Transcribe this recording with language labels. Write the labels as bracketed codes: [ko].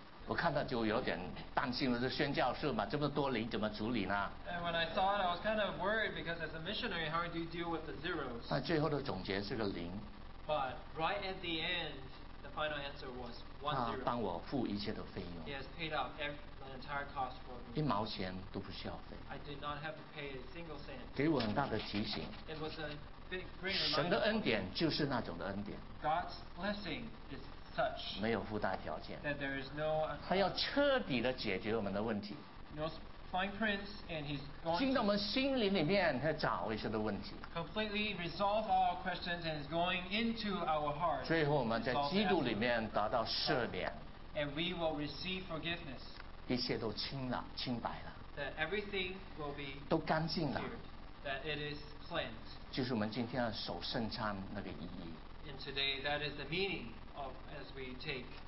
[zh] 我看到就有点担心了是宣教士嘛这么多零怎么处理呢 [en] and when I saw it I was kind of worried because as a missionary how do you deal with the zeros [zh] 那最后的总结是个零 [en] but right at the endthe final answer was 10. [zh] 他帮我付一切的费用。 [en] He has paid out the entire cost for me. [zh] 一毛钱都不需要费。 [en] I did not have to pay a single cent. [zh] 给我很大的提醒。 [en] It was a big reminder. [zh] 神的恩典就是那种的恩典。 [en] God's blessing is such. [zh] 没有附带条件。 [en] That there is no. [zh] 他要彻底的解决我们的问题。 [en] No fine prints, and he's going. [zh] 进到我们心灵里面，他找一些的问题。 [en] Completely resolve all our questions, and is going into our heart. [zh] 最后我们在基督里面得到赦免。 [en] And we will receive forgiveness. [zh] 一切都清了，清白了。 [en] That everything will be. [zh] 都干净了。 [en] That it is cleansed. [zh] 就是我们今天要守圣餐那个意义。 [en] And today, that is the meaning of as we take